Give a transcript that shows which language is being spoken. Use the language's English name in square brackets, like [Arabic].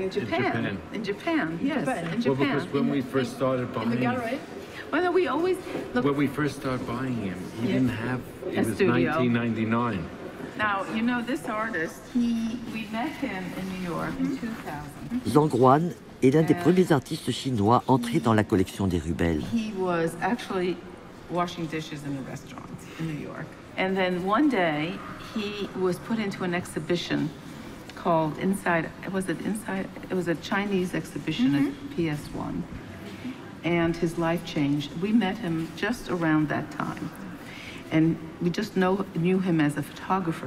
[English] In Japan. In Japan, yes. In Japan. Well, because when we first started buying... In the gallery? Well, no, we always... Look. When we first started buying him, he yes. didn't have... A it was studio. 1999. Now, you know, this artist, we met him in New York in 2000. [French] Zhang Guan est l'un des premiers artistes chinois entrés dans la collection des rebelles. [English] He was actually washing dishes in a restaurant in New York. And then one day, he was put into an exhibition called Inside, was it Inside? It was a Chinese exhibition mm-hmm. at PS1. And his life changed. We met him just around that time. And we just knew him as a photographer.